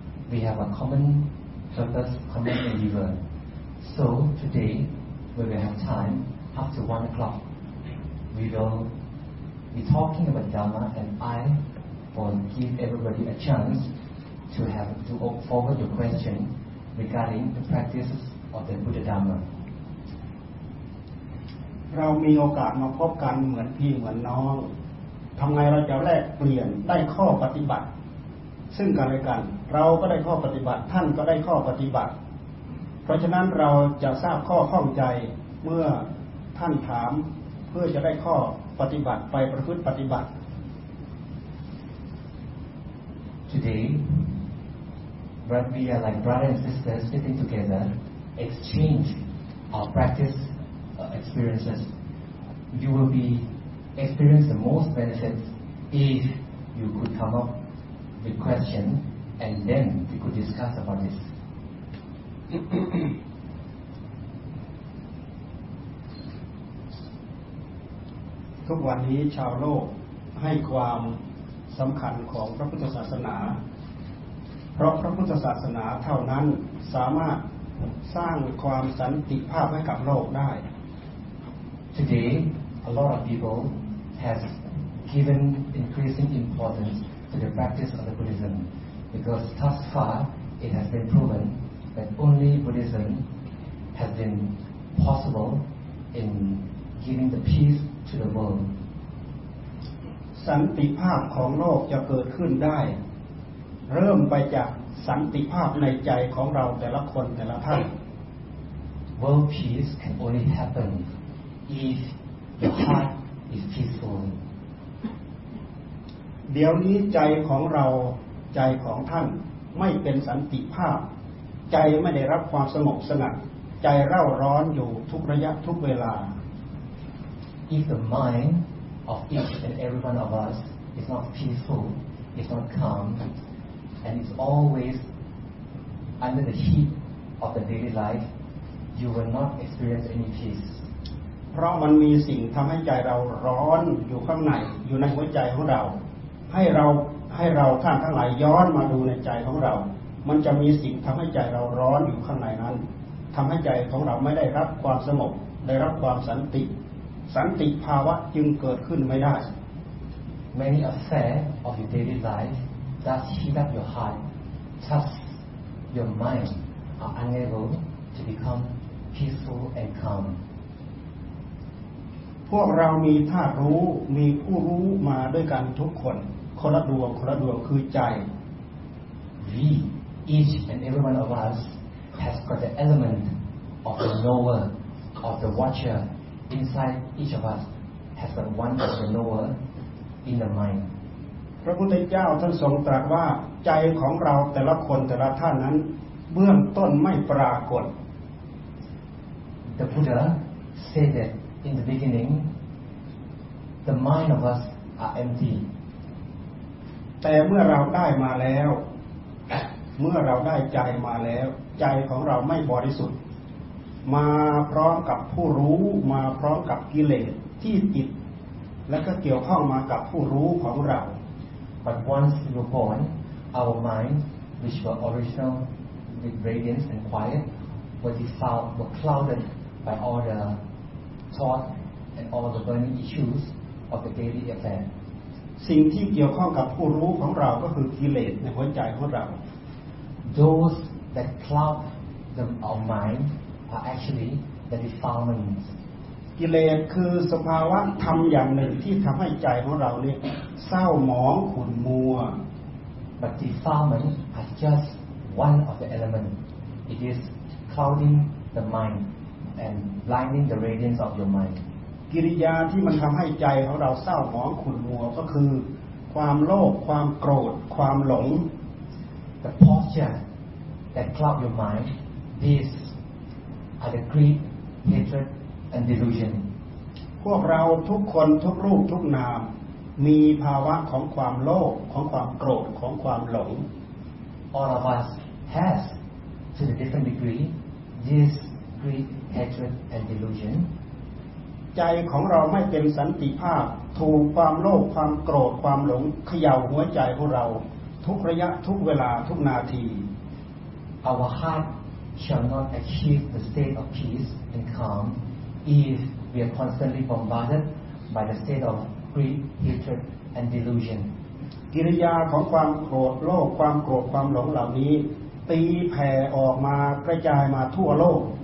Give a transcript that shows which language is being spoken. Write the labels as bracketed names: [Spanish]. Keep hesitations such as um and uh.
[English] We have a common purpose, common endeavor. So today, we will have time after one o'clock we will be talking about Dharma and I will give everybody a chance to have to op- forward your question regarding the practices of the Buddha Dharma. [Thai] เรามีโอกาสมาพบกันเหมือนพี่เหมือนน้องทำไงเราจะแลกเปลี่ยนได้ข้อปฏิบัติ ซึ่งกันและกัน เราก็ได้ข้อปฏิบัติ ท่านก็ได้ข้อปฏิบัติ เพราะฉะนั้นเราจะทราบข้อข้องใจเมื่อท่านถามเพื่อจะได้ข้อปฏิบัติไปประพฤติปฏิบัติ [English] Today, but we are like brother and sister sitting together, exchange our practice uh, experiences. You will be experience the most benefits if you could come up with question and then we could discuss about this. [Thai] ทุกวันนี้ชาวโลกให้ความสำคัญของพระพุทธศาสนา เพราะพระพุทธศาสนาเท่านั้นสามารถสร้างความสันติภาพให้กับโลกได้ [English] Today, a lot of people has given increasing importance to the practice of the Buddhism because thus far it has been proven that only Buddhism has been possible in giving the peace to the world. [Thai] สันติภาพของโลกจะเกิดขึ้นได้ เริ่มไปจากสันติภาพในใจของเราแต่ละคนแต่ละท่าน [English] World peace can only happen if your heart is peaceful. [Thai] เดี๋ยวนี้ใจของเราใจของท่านไม่เป็นสันติภาพ ใจไม่ได้รับความสงบสงัดใจเร่าร้อนอยู่ทุกระยะทุกเวลา [English] If the mind of each and every one of us is not peaceful, is not calm, and is always under the heat of the daily life, you will not experience any peace. [Thai] เพราะมันมีสิ่งทำให้ใจเราร้อนอยู่ข้างในอยู่ในหัวใจของเรา ให้เรา ให้เราท่านทั้งหลายย้อนมาดูในใจของเรา มันจะมีสิ่งทำให้ใจเราร้อนอยู่ข้างในนั้นทำให้ใจของเราไม่ได้รับความสงบ ได้รับความสันติ สันติภาวะจึงเกิดขึ้นไม่ได้ [English] Many affairs of your daily life that heat up your heart, touch your mind, are unable to become peaceful and calm. [Thai] พวกเรามีธาตุรู้มีผู้รู้มาด้วยกันทุกคนคนละดวงคนละดวงคือใจ [English] We, each and every one of us, has got the element of the knower, of the watcher inside each of us, has got one of the knower in the mind. [Thai] พระพุทธเจ้าท่านทรงตรัสว่าใจของเราแต่ละคนแต่ละท่านนั้น เบื้องต้นไม่ปรากฏ [English] The Buddha said that in the beginning, the mind of us are empty. [Thai] แต่เมื่อเราได้มาแล้ว เมื่อเราได้ใจมาแล้ว ใจของเราไม่บริสุทธิ์ มาพร้อมกับผู้รู้มาพร้อมกับกิเลสที่ติด และก็เกี่ยวข้องมากับผู้รู้ของเรา [English] But once we were born, our minds, which were original with radiance and quiet, were defiled, were clouded by all the thought and all the burning issues of the daily affair. [Thai] สิ่งที่เกี่ยวข้องกับผู้รู้ของเราก็คือกิเลสในหัวใจของเรา [English] Those that cloud the, our mind are actually the defilements. [Thai] กิเลสคือสภาวะธรรมอย่างหนึ่งที่ทำให้ใจของเราเนี่ยเศร้าหมองขุ่นมัว [English] But defilement are just one of the elements. It is clouding the mind and blinding the radiance of your mind. [Thai] กิริยาที่มันทำให้ใจของเราเศร้าหมองขุ่นมัวก็คือ ความโลภความโกรธ ความหลง [English] the posture that cloud your mind, these are the greed, hatred, and delusion. [Thai] พวกเราทุกคนทุกรูปทุกนาม มีภาวะของความโลภของความโกรธของความหลง [English] All of us has, to a different degree, this greed, hatred, and delusion. [Thai] ใจของเราไม่เป็นสันติภาพ ถูกความโลภความโกรธความหลงเขย่าหัวใจของเรา ทุกระยะทุกเวลาทุกนาที [English] Our heart shall not achieve the state of peace and calm if we are constantly bombarded by the state of greed, hatred, and delusion. [Thai] กิริยาของความโกรธโลภความโกรธความหลงเหล่านี้ ตีแผ่ออกมากระจายมาทั่วโลก